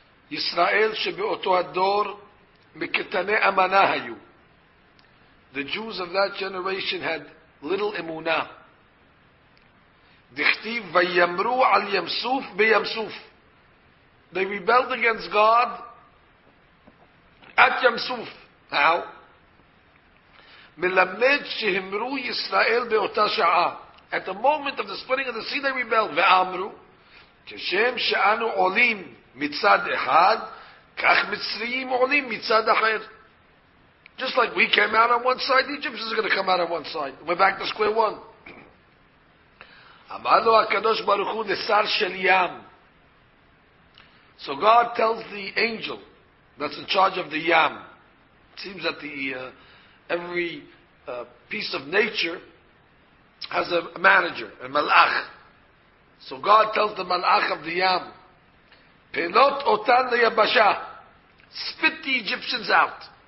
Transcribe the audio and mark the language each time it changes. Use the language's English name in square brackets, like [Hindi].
[Hebrew] ישראל שבאותו הדור מקטני אמנה היו. [English] The Jews of that generation had little אמונה. [Hebrew] דכתיב וימרו על ימסוף בימסוף. [English] They rebelled against God at ימסוף. How? [Hebrew] מלמד שהמרו ישראל באותה שעה. [English] At the moment of the splitting of the sea, they rebelled. [Hebrew] ואמרו, כשם שאנו עולים מצד אחד, כך מצרים עולים מצד אחר. [English] Just like we came out on one side, Egypt is going to come out on one side. We're back to square one. [Hebrew] אמר לו הקדוש ברוך הוא נסר של ים. [English] So God tells the angel that's in charge of the yam. It seems that every piece of nature has a manager, a malach. So God tells the malach of the yam, [Hebrew] Pelot otan liyabasha, [English] spit the Egyptians out.